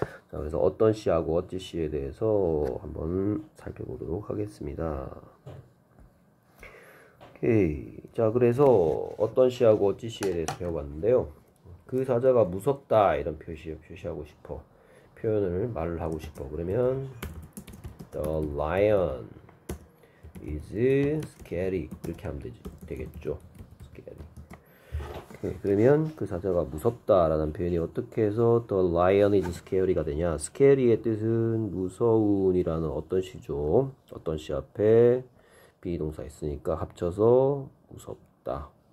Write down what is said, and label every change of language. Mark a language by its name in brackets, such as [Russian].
[Korean] 자, 그래서 어떤 시하고 어찌시에 대해서 한번 살펴보도록 하겠습니다. 오케이. 자, 그래서 어떤 시하고 어찌 시에 대해서 배워봤는데요. 그 사자가 무섭다 이런 표시하고 싶어. 표현을 말을 하고 싶어. 그러면 [English] The lion is scary. [Korean] 이렇게 하면 되겠죠. Scary. 오케이. 그러면 그 사자가 무섭다라는 표현이 어떻게 해서 [English] The lion is scary [Korean] 가 되냐? Scary의 뜻은 무서운이라는 어떤 시죠. 어떤 시 앞에 비동사 있으니까 합쳐서 무섭다.